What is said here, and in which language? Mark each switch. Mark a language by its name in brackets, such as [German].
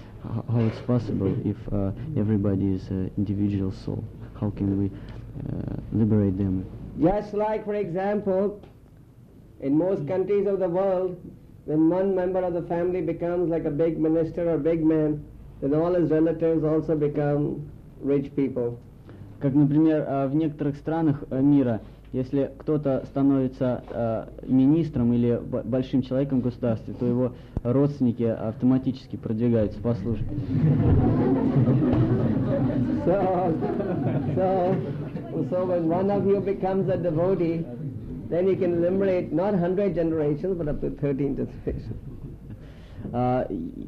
[English] How it's possible if everybody is an individual soul? How can we liberate them? Just like, for example, in most countries of the world, when one member of the family becomes like a big minister or big man, then all his relatives also become rich people. [Russian] Как, например, в некоторых странах мира, если кто-то становится министром или большим человеком в государстве, то его родственники автоматически продвигаются по службе. [English] So when one of you becomes a devotee, then you can liberate not 100 generations, but up to 13 generations.